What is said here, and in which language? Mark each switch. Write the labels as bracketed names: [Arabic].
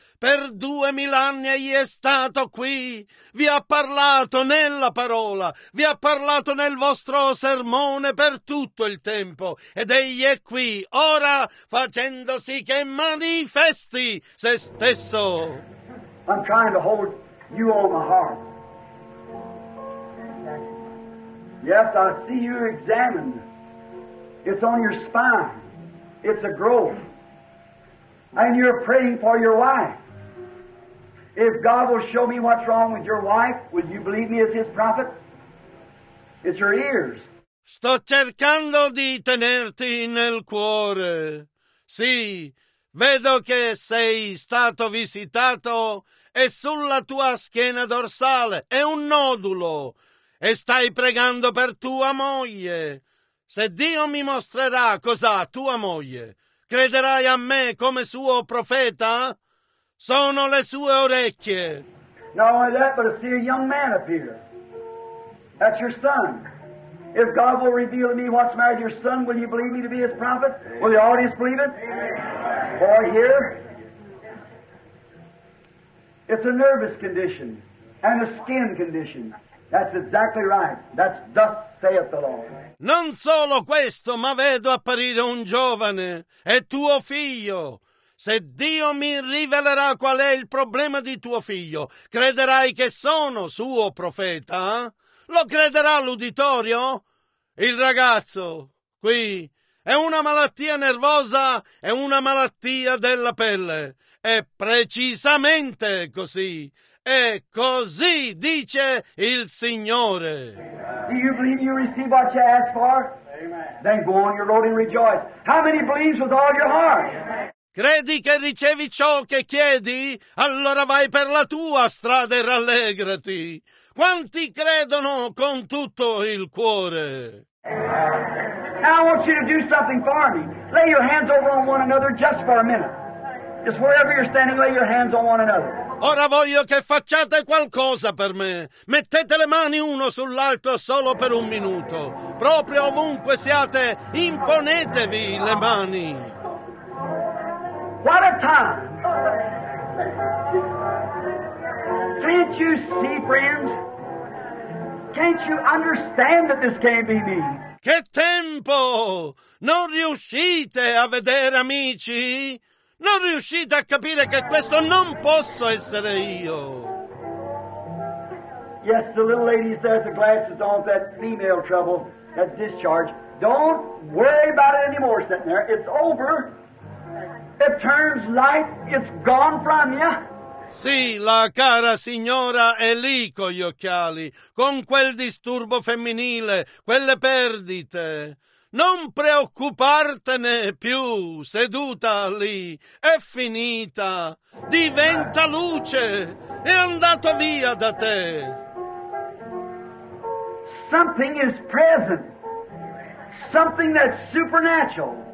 [Italian] Per 2000 anni egli è stato qui. Vi ha parlato nella parola. Vi ha parlato nel vostro sermone per tutto il tempo. Ed egli è qui, ora, facendosi che manifesti se stesso. [English] I'm trying to hold you on my heart. Yes, I see you examined. It's on your spine. It's a growth. And you're praying for your wife. If God will show me what's wrong with your wife, would you believe me as His prophet? It's your ears. [Italian] Sto cercando di tenerti nel cuore. Sì, vedo che sei stato visitato e sulla tua schiena dorsale è un nodulo e stai pregando per tua moglie. Se Dio mi mostrerà cosa ha tua moglie, crederai a me come suo profeta? Sono le sue orecchie. [English] Not only that, but I see a young man appear. That's your son. If God will reveal to me what's married your son, will you believe me to be his prophet? Will the audience believe it? Boy here. It's a nervous condition and a skin condition. That's exactly right. That's thus saith the Lord. [Italian] Non solo questo, ma vedo apparire un giovane, è tuo figlio. Se Dio mi rivelerà qual è il problema di tuo figlio, crederai che sono suo profeta? Lo crederà l'uditorio? Il ragazzo, qui, è una malattia nervosa, è una malattia della pelle. È precisamente così. E così dice il Signore. [English] Do you believe you receive what you ask for? Amen. Then go on your road and rejoice. How many believes with all your heart? [Italian] Credi che ricevi ciò che chiedi? Allora vai per la tua strada e rallegrati. Quanti credono con tutto il cuore? [English] Now I want you to do something for me. Lay your hands over on one another just for a minute. Just wherever you're standing, lay your hands on one another. [Italian] Ora voglio che facciate qualcosa per me. Mettete le mani uno sull'altro solo per un minuto. Proprio ovunque siate, imponetevi le mani. [English] What a time! Can't you see, friends? Can't you understand that this can't be me? [Italian] Che tempo! Non riuscite a vedere, amici? Non riuscite a capire che questo non posso essere io. [English] Yes, the little lady says the glasses on that female trouble, that discharge. Don't worry about it anymore, sitting there. It's over. It turns light, it's gone from you. [Italian] Sì, la cara signora è lì con gli occhiali, con quel disturbo femminile, quelle perdite. Non preoccupartene più, seduta lì, è finita, diventa luce, è andato via da te. [English] Something is present, something that's supernatural.